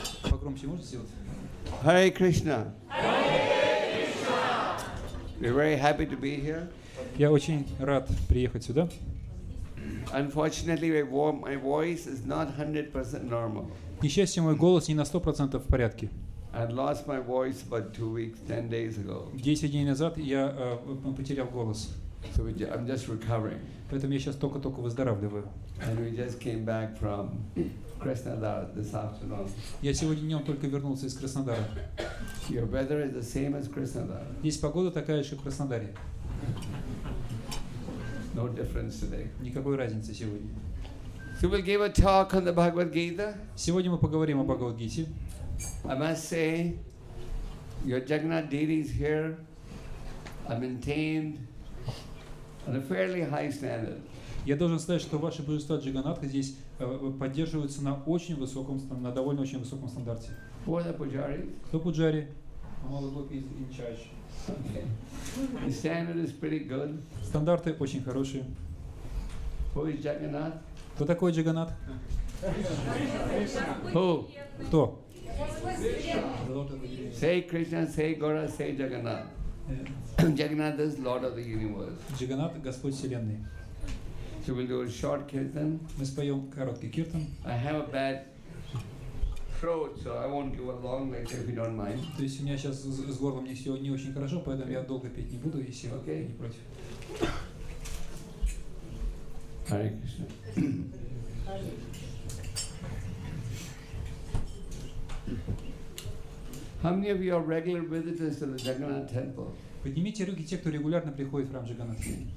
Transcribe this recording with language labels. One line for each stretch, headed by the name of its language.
Russian: Погромче можно сделать? Хари Кришна. Хари Кришна.
English: We're very happy to be here.
Russian: Я очень рад приехать сюда.
English: Unfortunately, my voice is not 100% normal.
Russian: К несчастью, мой голос не на 100% в порядке.
English: I lost my voice about 2 weeks, 10 days ago.
Russian: 10 дней назад я потерял голос.
English: So I'm just recovering.
Russian: Поэтому я сейчас только-только выздоравливаю.
English: And we just came back from Krasnodar this afternoon.
Russian: Я сегодня днем только вернулся из Краснодара.
English: Your weather is the same as Krasnodar.
Russian: Здесь погода такая же, как в Краснодаре.
English: No difference today.
Russian: Никакой разницы сегодня.
English: So we'll give a talk on the Bhagavad Gita.
Russian: Сегодня мы поговорим о Бхагавад Гите.
English: I must say, your Jagannath deity is here. I maintained on a fairly high standard.
Russian: Я должен сказать, что ваши божества Джаганнатха здесь поддерживаются на очень высоком, на довольно очень высоком стандарте.
English: Who are the pujaris?
Russian: Кто пуджари? Амалагопи из Инчаш.
English: Okay. The standard is pretty good.
Russian: Стандарты очень хорошие.
English: Who is Jagannath?
Russian: Кто такой Джаганнат?
English: Who?
Russian: Кто?
English: Say Krishna, say Gaura, say Jagannath. Jagannath is Lord of the Universe.
Russian: Джаганнат — Господь Вселенной.
English: So we'll do a short kirtan.
Russian: Мы споем короткий киртан.
English: I have a bad throat, so I won't give a long lecture if you don't mind.
Russian: То есть у меня сейчас с горлом не все не очень хорошо, поэтому я долго петь не буду, если вы не против.
English: Hare Krishna. How many of you are regular visitors to the Jagannath Temple?
Russian: Поднимите руки те, кто регулярно приходит в храм Джаганнатха.